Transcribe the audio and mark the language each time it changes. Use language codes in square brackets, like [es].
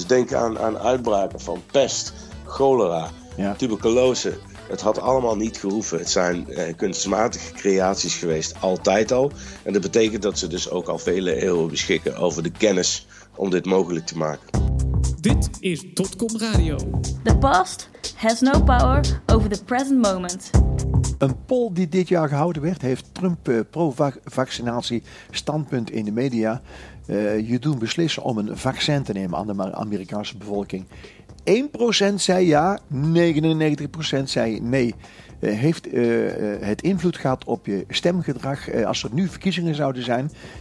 [nl] Dus denk aan uitbraken van pest, cholera. Ja. Tuberculose, het had allemaal niet gehoeven. Het zijn kunstmatige creaties geweest, altijd al. En dat betekent dat ze dus ook al vele eeuwen beschikken over de kennis om dit mogelijk te maken. Dit is .com Radio. [en] The past has no power over the present moment. [nl] Een poll die dit jaar gehouden werd, heeft Trump pro-vaccinatie standpunt in de media. Je doet beslissen om een vaccin te nemen aan de Amerikaanse bevolking. 1% zei ja, 99% zei nee. Heeft het invloed gehad op je stemgedrag als er nu verkiezingen zouden zijn?